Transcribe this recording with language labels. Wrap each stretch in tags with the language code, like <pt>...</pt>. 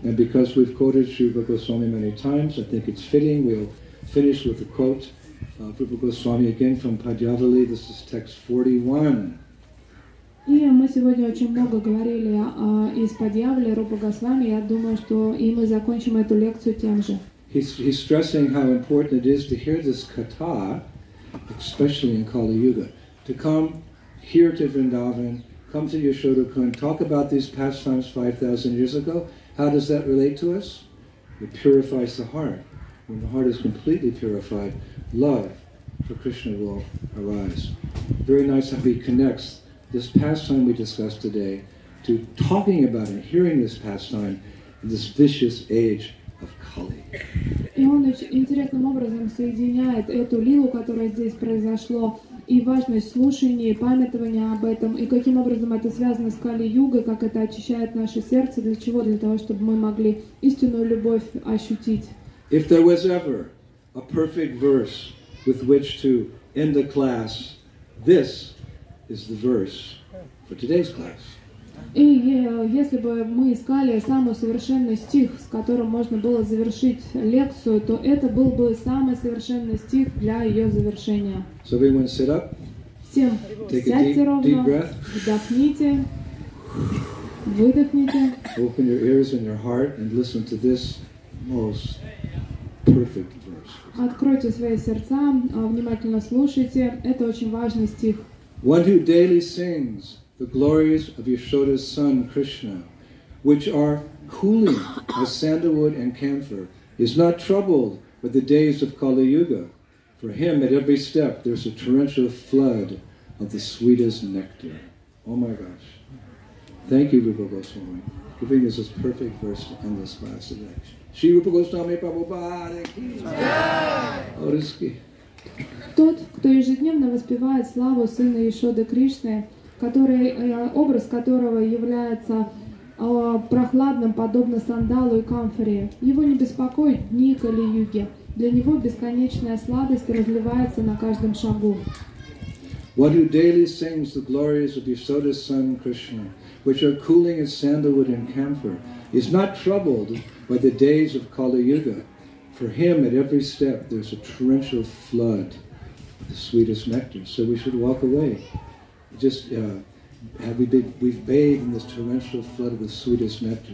<en>And because we've quoted Shri Goswami many times, I think it's fitting we'll finish with a quote of Rupa Goswami again from Padyavali. This is text 41.</en> <ru>И мы сегодня очень много говорили из Падьявали Рупа Госвами. Я думаю, что и мы закончим эту лекцию тем же.</ru> <en>He's stressing how important it is to hear this katha, especially in Kali Yuga, to come here to Vrindavan, come to Yashoda Kund, talk about these pastimes 5,000 years ago. How does that relate to us? It purifies the heart. When the heart is completely purified, love for Krishna will arise. Very nice how he connects this pastime we discussed today to talking about and hearing this pastime in this vicious age of Kali.</en> <ru>И он очень интересным образом соединяет эту лилу, которая здесь произошла, и важность слушания, и памятования об этом, и каким образом это связано с Кали-югой, как это очищает наше сердце, для чего? Для того, чтобы мы могли истинную любовь ощутить.</ru> <en>If there was ever a perfect verse with which to end a class, this is the verse for today's class.</en> <ru>И если бы мы искали самый совершенный стих, с которым можно было завершить лекцию, то это был бы самый совершенный стих для ее завершения.</ru> <en>So everyone sit up.</en> <ru>Всем сядьте ровно. Вдохните. Выдохните.</ru> <en>Open your ears and your heart and listen to this most perfect verse.</en> <ru>Откройте свои сердца, внимательно слушайте. Это очень важный стих.</ru> <en>One who daily sings the glories of Yashoda's son Krishna, which are cooling as sandalwood and camphor, is not troubled with the days of Kali Yuga. For him, at every step, there's a torrential flood of the sweetest nectar. Oh my gosh. Thank you, Rupa Goswami, giving us this perfect verse to end this class today. Shri Rupa Goswami Prabhupada Ki Jai. Oriski.</en> <ru>Тот, кто ежедневно воспевает славу сына Яшоды Кришны, который, образ которого является прохладным, подобно сандалу и камфоре, его не беспокоит дни Кали-юги. Для него бесконечная сладость разливается на каждом шагу.</ru> <en>One who daily sings the glories of Yasoda's son Krishna, which are cooling as sandalwood and camphor, is not troubled by the days of Kali-yuga. For him, at every step, there's a torrential flood of the sweetest nectar. So we should walk away. Just we've bathed in this torrential flood of the sweetest nectar.</en>